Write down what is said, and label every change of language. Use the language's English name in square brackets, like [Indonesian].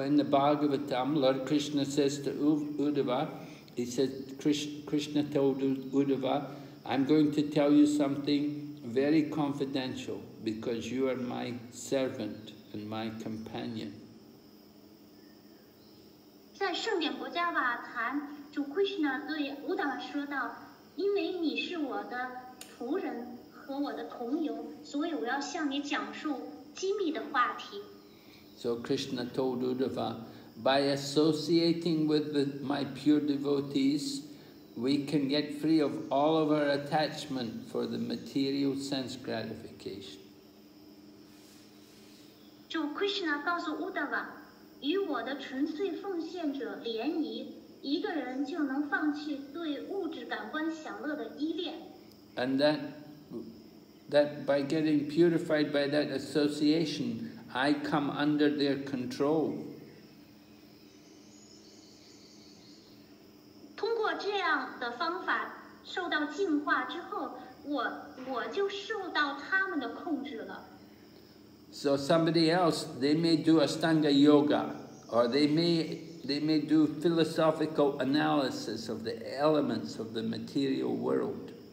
[English] in the Bhagavatam, Lord Krishna says to Uddhava, he says, Krishna told Uddhava, I'm going to tell you something very confidential, because you are my servant and my companion. [Chinese] 在圣典伯加瓦坛，主 Krishna 对乌达瓦说道：“因为你是我的仆人和我的同游，所以我要向你讲述机密的话题。” [English] So Krishna told Uddhava, by associating with my pure devotees, we can get free of all of our attachment for the material sense gratification. [Chinese] 就 Krishna 告诉 Uddhava， 与我的纯粹奉献者联谊，一个人就能放弃对物质感官享乐的依恋。 [English] And that by getting purified by that association, I come under their control. [Chinese] 通过这样的方法受到净化之后，我就受到他们的控制了。 [English] So somebody else, they may do Ashtanga Yoga, or they may do philosophical analysis of the elements of the material world.